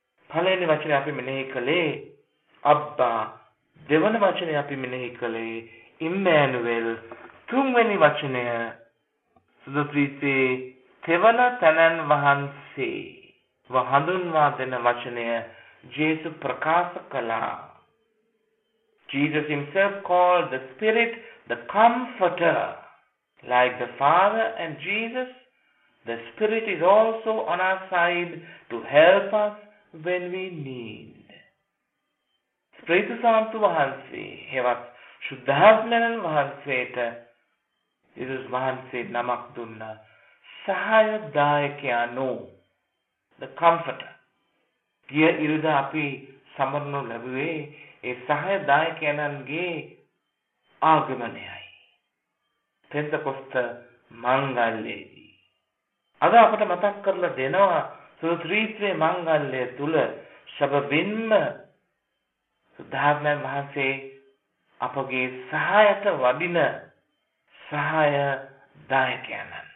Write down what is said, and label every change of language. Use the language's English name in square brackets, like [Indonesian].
[Sinhala] පළවෙනි වචනේ අපි මෙනෙහි කළේ අබ්බා, දෙවන වචනේ අපි මෙනෙහි කළේ ඉම්මානුවෙල්, තුන්වෙනි වචනය සුදත්‍රිත්‍රේ තෙවන තැනන් වහන්සේ ව හඳුන්වා දෙන වචනය ජේසු ප්‍රකාශ කළා. [English] Jesus himself called the Spirit the Comforter. Like the Father and Jesus, the Spirit is also on our side to help us when we need. [Sinhala] ප්‍රේතසාන්තු වහන්සේ හෙවත් ශුද්ධාත්මයන් වහන්සේට ඉරුස් වහන්සේ නමක් දුන්න සහය දායකයානු [English] the comforter [Sinhala] ගිය ඉරිදා අපි සමරනු ලැබුවේ ඒ සහය දායකයනන්ගේ ආගමනයයි පෙන්තකොස්ත මංගල්‍යයේදී අද අපට මතක් කරලා දෙනවා සුත්‍රීත්‍රේ මංගල්‍යය තුල සබවින්ම සුද්ධාත්මයන් වහන්සේ අපගේ සහායට වඩින සහාය දායකයනන්